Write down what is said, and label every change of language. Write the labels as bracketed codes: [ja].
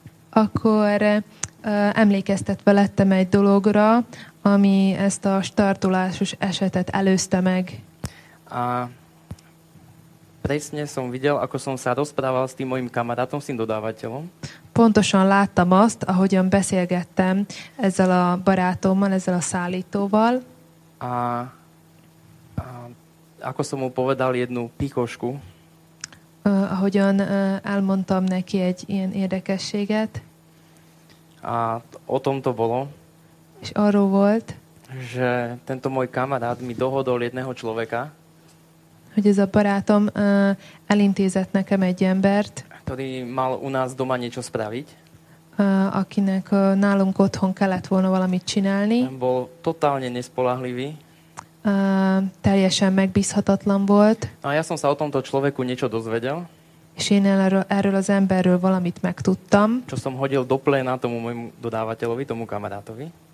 [hu] Akkor emlékeztetve lettem egy dologra, ami ezt a startolásos esetet előzte meg. [sk] A presne som videl, ako som sa rozprával s tým mojim kamarátom, s tým dodávateľom. [hu] Pontosan láttam azt, ahogyan beszélgettem ezzel a barátommal, ezzel a szállítóval. [sk] A ako som mu povedal jednu pikošku. [hu] Ahogyan elmondtam neki egy ilyen érdekességet. [sk] A o tom to bolo. [hu] És arról volt. [sk] Že tento môj kamarát mi dohodol jedného človeka. [hu] Hogy ez a barátom elintézett nekem egy embert. [sk] Ktorý mal u nás doma niečo spraviť. [hu] Akinek nálunk otthon kellett volna valamit csinálni. [sk] Ten bol totálne nespoľahlivý. [hu] Teljesen megbízhatatlan volt. [sk] A ja som sa o tomto človeku niečo dozvedel. [hu] És én erről az emberről valamit megtudtam. [sk] Čo som hodil do pléna tomu môjmu dodávateľovi, tomu kamarátovi.